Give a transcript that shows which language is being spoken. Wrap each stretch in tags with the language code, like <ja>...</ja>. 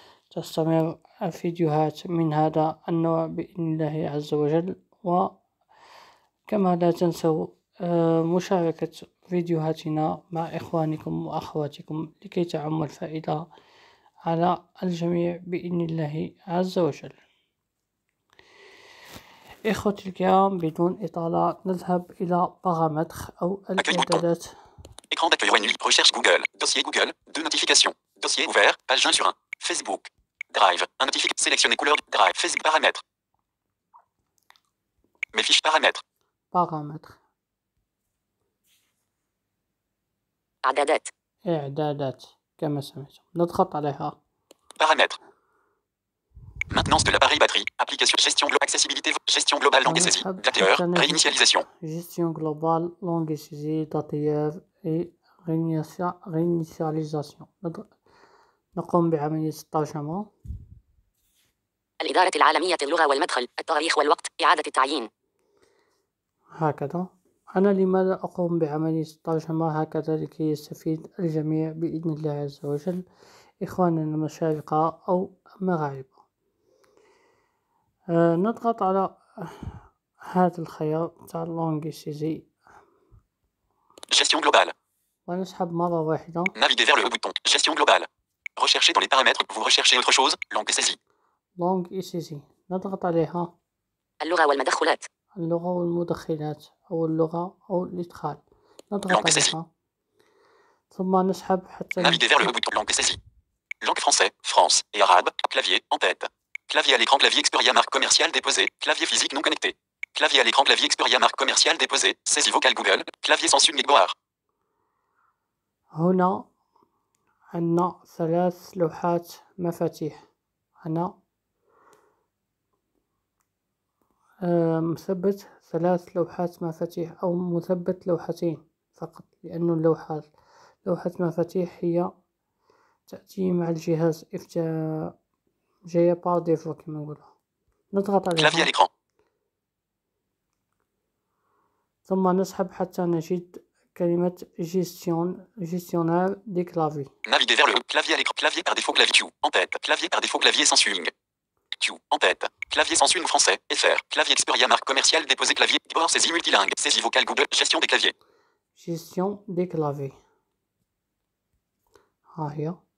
<ar>تستمر فيديوهات من هذا النوع بإذن الله عز وجل، وكما لا تنسوا مشاركة فيديوهاتنا مع إخوانكم وأخواتكم لكي تعم الفائدة على الجميع بإذن الله عز وجل. إخوتي الكرام، بدون إطالة نذهب إلى باغامتر أو الإعدادات.</ar> <fr>Écran d'accueil Renu, recherche Google, dossier Google, deux notifications, dossier ouvert, page 1 sur 1, Facebook, Drive, un notifié, sélectionnez couleur du Drive, Facebook, paramètres, mes fiches paramètres, paramètres,</fr> <ar>Adadat.</ar> <fr>Adadat. Comme ça, mais notre appareil, paramètres, maintenance de l'appareil batterie, application, gestion globale, accessibilité, gestion globale, langue saisie, dateur, réinitialisation, gestion globale, langue saisie, dateur, et réinitialisation.</fr> <ar>نقوم بعملية الترجمة. الإدارة العالمية للغة والمدخل التاريخ والوقت إعادة التعيين. هكذا. أنا لماذا أقوم بعملية الترجمة هكذا؟ لكي يستفيد الجميع بإذن الله عز وجل، إخواننا المشارقة أو المغاربة. نضغط على هذا الخيار تاع لونغيسيزي.</ar> <fr>Gestion globale.</fr> <ar>ونسحب مرة واحدة.</ar> <fr>Naviguez vers le haut bouton. Gestion globale. Recherchez dans les paramètres. Vous recherchez autre chose. Langue saisie. Langue saisie.</fr> <ar>نضغط عليها. اللغة والمدخلات. اللغة والمدخلات أو اللغة أو الإدخال. نضغط عليها. ثم نسحب حتى.</ar> <fr>Naviguez vers le haut bouton. Langue saisie. Langue français, France et arabe. Clavier en tête. Clavier à l'écran. Clavier Xperia marque commerciale déposée. Clavier physique non connecté. Clavier à l'écran, clavier Xperia marque commerciale déposée, saisie vocale Google, clavier sans sub-mégoire.</fr> <ar>هنا عندنا ثلاث لوحات مفاتيح. انا مثبت ثلاث لوحات مفاتيح او مثبت لوحتين فقط، لانه لوحه مفاتيح هي تاتي مع الجهاز جايه بار ديفو كما نقولوا. نضغط على</ar> <fr>كلافي الاكران</fr> <ar>ثم نسحب حتى نجد كلمة</ar> <fr>gestion gestionnaire des claviers. Naviguez vers le haut. Clavier à l'écran. Clavier par défaut clavier Q. En tête. Clavier par défaut clavier sans swing. Q. En tête. Clavier sans swing français. FR. Clavier Xperia marque commerciale déposé clavier. Bord saisie multilingue. Saisie vocale Google. Gestion des claviers. Gestion des claviers. Ah hier.</fr>